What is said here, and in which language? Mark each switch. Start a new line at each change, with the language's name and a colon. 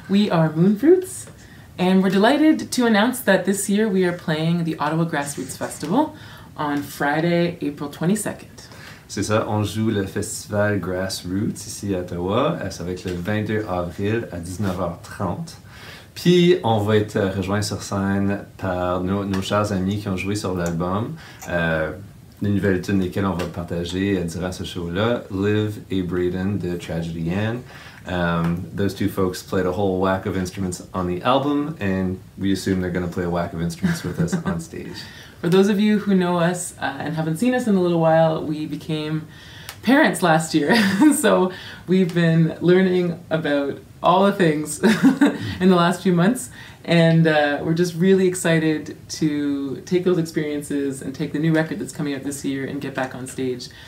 English: We are Moonfruits, and we're delighted to announce that this year we are playing the Ottawa Grassroots Festival on Friday, April 22nd.
French: C'est ça, on joue le festival Grassroots ici à Ottawa, ça va être le 22 avril à 19h30. Puis, on va être rejoint sur scène par nos chers amis qui ont joué sur l'album, une nouvelle tune desquelles on va partager durant ce show-là, Liv et Braden de Tragedy Ann.
English: Those two folks played a whole whack of instruments on the album, and we assume they're going to play a whack of instruments with us on stage. For those of you who know us and haven't seen us in a little while, we became parents last year, so we've been learning about all the things in the last few months, and we're just really excited to take those experiences and take the new record that's coming out this year and get back on stage.